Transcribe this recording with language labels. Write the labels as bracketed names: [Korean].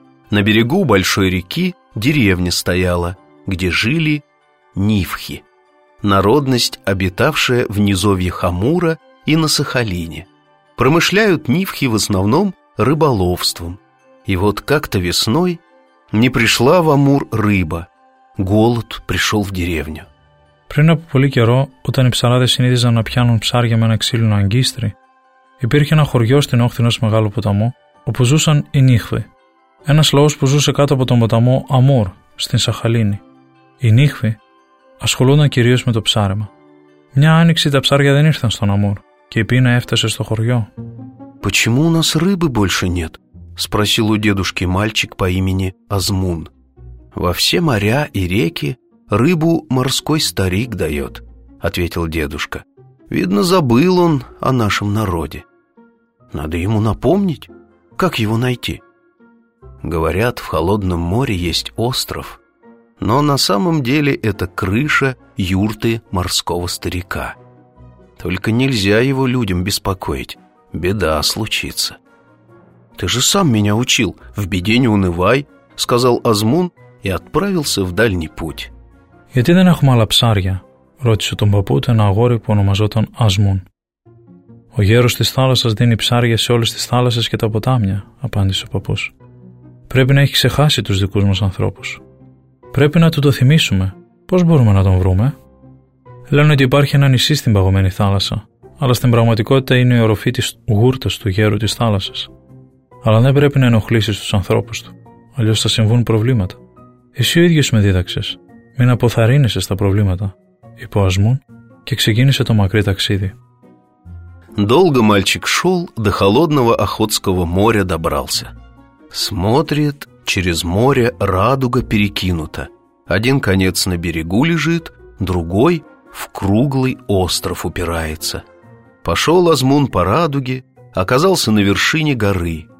[Russian] На берегу большой реки деревня стояла, где жили нивхи, народность, обитавшая в низовьях Амура и на Сахалине. Промышляют нивхи в основном рыболовством. И вот как-то весной не пришла в Амур рыба. Голод пришел в деревню. [Greek] Πριν από πολύ καιρό, όταν οι ψαράδες συνήθιζαν να πιάνουν ψάρια με ένα ξύλινο αγκίστρι, υπήρχε ένα χωριό στην όχθη ενός μεγάλου ποταμού, όπου ζούσαν οι νύχβοι. Ένας λαός που ζούσε κάτω από τον ποταμό Αμούρ, στην Σαχαλίνη. Οι νύχβοι ασχολούνταν κυρίως με το ψάρεμα. Μια άνοιξη τα ψάρια δεν ήρθαν στον Αμούρ και η πείνα έφτασε στο χωριό. [Russian] Почему у нас рыбы больше нет? Спросил у дедушки мальчик по имени Азмун. «Во все моря и реки рыбу морской старик дает», — ответил дедушка. «Видно, забыл он о нашем народе. Надо ему напомнить, как его найти». Говорят, в холодном море есть остров, но на самом деле это крыша юрты морского старика. Только нельзя его людям беспокоить, беда случится». Ты же сам меня учил, в беде не унывай, сказал Азмун и отправился в дальний путь. [Greek] Γιατί δεν έχουμε άλλα ψάρια, ρώτησε τον παππού του ένα αγόρι που ονομαζόταν Ασμούν. Ο γέρος της θάλασσας δίνει ψάρια σε όλες τις θάλασσες και τα ποτάμια, απάντησε ο παππούς. Πρέπει να έχει ξεχάσει τους δικούς μας ανθρώπους. Πρέπει να του το θυμίσουμε. Πώς μπορούμε να τον βρούμε? Λένε ότι υπάρχει ένα νησί στην παγωμένη θάλασσα, αλλά στην πραγματικότητα είναι η οροφή της γούρτας του γέρου της θάλασσας. Αλλά δεν πρέπει να ενοχλήσεις τους ανθρώπους του, αλλιώς θα συμβούν προβλήματα. Εσύ ο ίδιος με δίδαξες. Μην αποθαρρύνεσαι στα προβλήματα, είπε ο Ασμούν και ξεκίνησε το μακρύ ταξίδι. [Russian] Долго мальчик шел, до холодного Охотского моря добрался. Смотрит, через море радуга перекинута. Один конец на берегу лежит, другой в круглый остров упирается. Пошел Азмун по радуге, оказался на вершине горы.